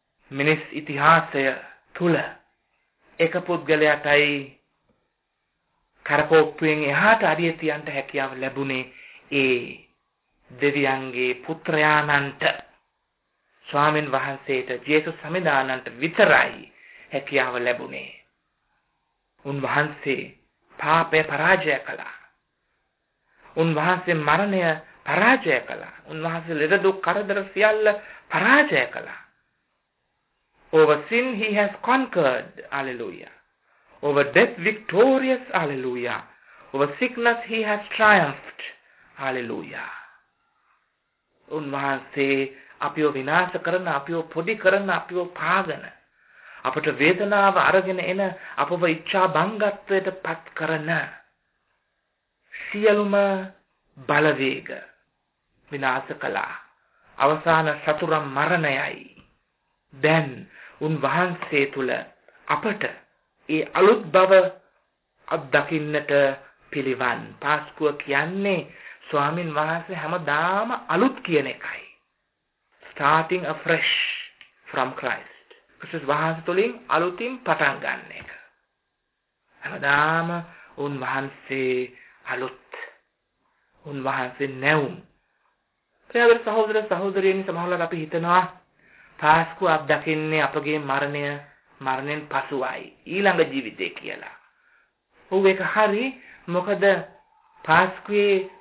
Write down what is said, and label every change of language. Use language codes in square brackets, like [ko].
[si] මිනිස් ඉතිහාසය තුල එක පුද්ගලයාටයි කරකෝප්පුවෙන් එහාට අඩිය තියන්න හැකියාව ලැබුණේ ඒ දෙවියන්ගේ පුත්‍රයාණන්ට, ස්වාමීන් වහන්සේට, ජේසුස් සමිදානන්ට විතරයි හැකියාව ලැබුණේ. උන්වහන්සේ පාපය පරාජය කළා. උන්වහන්සේ මරණය පරාජය කළා. උන්වහන්සේ ලෙඩ දුක් කරදර සියල්ල පරාජය කළා. [en] Over sin he has conquered. Alleluia. Over death victorious. Alleluia. Over sickness he has triumphed. Alleluia. [si] උන්වහන්සේ අපිව විනාශ කරන, අපිව පොඩි කරන, අපිව පාගන, අපට වේදනාව අරගෙන එන, අපව ઈચ્છා බංගත්වයට පත් කරන සියලුම බලවේග විනාශ කළා. අවසාන සතුරු මරණයයි. දැන් උන්වහන්සේ තුල අපට ඒ අලුත් බව අත්දකින්නට පිළිවන්. පාස්කුව කියන්නේ ස්වාමින් වහන්සේ හැමදාම අලුත් කියන එකයි. [en] Starting afresh from Christ. [si] Christ වහන්සේ තුලින් අලුතින් පටන් ගන්න එක. හැමදාම උන්වහන්සේ අලුත්. උන්වහන්සේ නැවුම්. ප්‍රියදර සහෝදර සහෝදරියනි, සමහරවල් අපි හිතනවා පාස්කුව අත්දකින්නේ අපගේ මරණය, මරණයෙන් පසුවයි, ඊළඟ ජීවිතේ කියලා. ඔව්, ඒක හරි. මොකද පාස්කුවේ